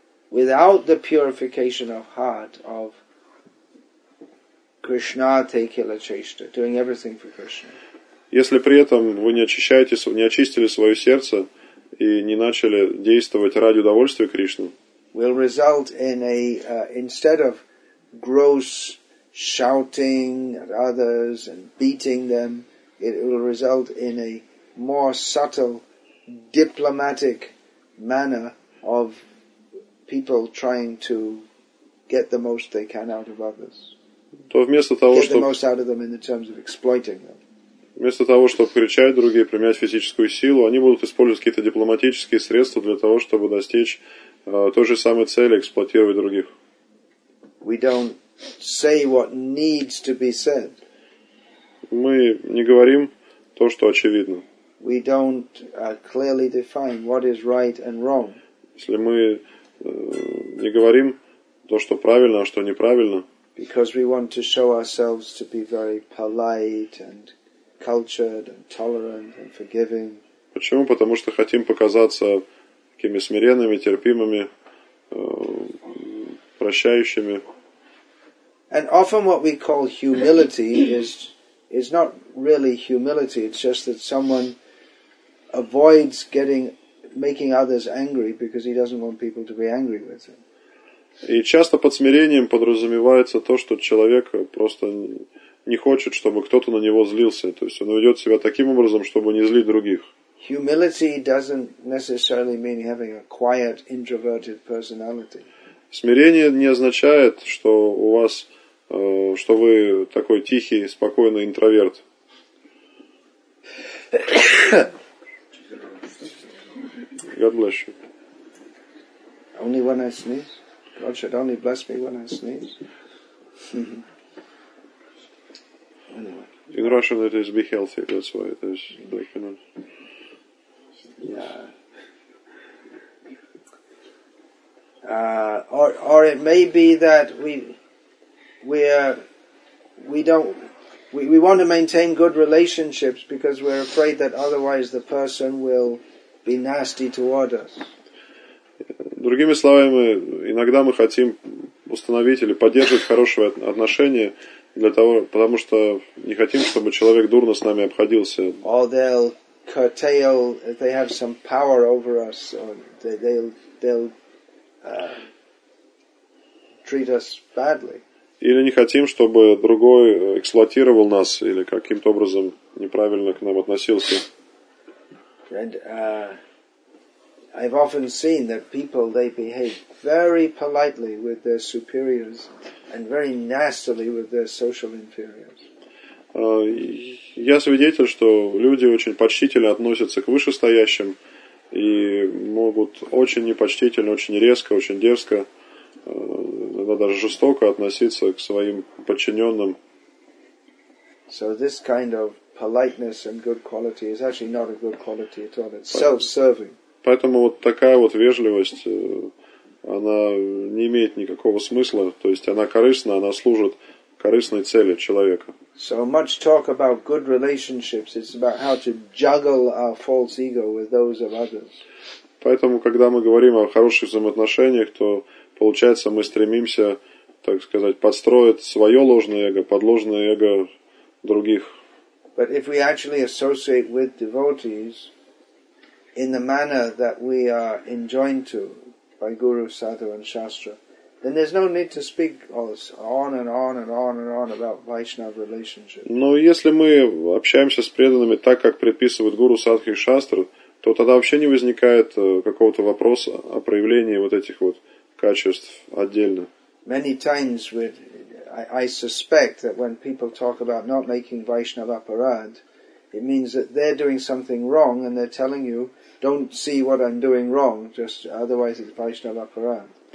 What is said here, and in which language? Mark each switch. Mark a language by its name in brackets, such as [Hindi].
[English] without the purification of heart of Krishna te kila chesta, doing everything for Krishna. [Russian] Если при этом вы не очищаете, не очистили свое сердце и не начали действовать ради удовольствия Кришны, [English] will result in a instead of gross shouting at others and beating them, it will result in a more subtle diplomatic manner of people trying to get the most they can out of others. [Russian] То вместо того, [English] get the most out of them in the terms of exploiting them. [Russian] Вместо того, чтобы кричать другие, применять физическую силу, они будут использовать какие-то дипломатические средства для того, чтобы достичь той же самой цели, эксплуатировать других. [English] We don't say what needs to be said. [Russian] Мы не говорим то, что очевидно. [English] We don't clearly define what is right and wrong. [Russian] Если мы не говорим то, что правильно, а что неправильно. [English] Because we want to show ourselves to be very polite and cultured and tolerant and forgiving. [Russian] Почему? Потому что хотим показаться такими смиренными, терпимыми, прощающими. [English] And often what we call humility is not really humility. It's just that someone avoids making others angry because he doesn't want people to be angry with him. [Russian] И часто под смирением подразумевается то, что человек просто не хочет, чтобы кто-то на него злился. То есть он ведет себя таким образом, чтобы не злить других. [English] Humility doesn't necessarily mean having a quiet, introverted personality. [Russian] Смирение не означает, что у вас, что вы такой тихий, спокойный интроверт. [English] God bless you. Only when I sneeze. God should only bless me when I sneeze. In Russian it is be healthy, that's why it is like, you know. Or it may be that we want to maintain good relationships because we're afraid that otherwise the person will be nasty toward us. [Russian] Другими словами, иногда мы хотим установить или поддерживать хорошие отношения. Для того, потому что не хотим, чтобы человек дурно с нами обходился. [English] Or they'll curtail, if they have some power over us, or they'll treat us badly. [Russian] Или не хотим, чтобы другой эксплуатировал нас или каким-то образом неправильно к нам относился. [English] And I've often seen that people, they behave very politely with their superiors and very nastily with their social inferiors. [Russian] Я свидетель, что люди очень почтительно относятся к вышестоящим и могут очень непочтительно, очень резко, очень дерзко, иногда даже жестоко относиться к своим подчиненным. [English] So this kind of politeness and good quality is actually not a good quality at all. It's self-serving. [Russian] Поэтому вот такая вот вежливость, она не имеет никакого смысла, то есть она корыстна, она служит корыстной цели человека. [English] So much talk about good relationships, it's about how to juggle our false ego with those of others. [Russian] Поэтому, когда мы говорим о хороших взаимоотношениях, то получается, мы стремимся, так сказать, подстроить свое ложное эго под ложное эго других. [English] But if we actually associate with devotees in the manner that we are enjoined to by Guru, Sadhu and Shastra, then there's no need to speak on and on and on and on about Vaishnava relationships. [Russian] Но если мы общаемся с преданными так, как предписывают Гуру, Садху и Шастра, то тогда вообще не возникает какого-то вопроса о проявлении вот этих вот качеств отдельно. [English] Many times I suspect that when people talk about not making Vaishnava aparad, it means that they're doing something wrong and they're telling you, don't see what I'm doing wrong, just otherwise it's Vaishnava aparad.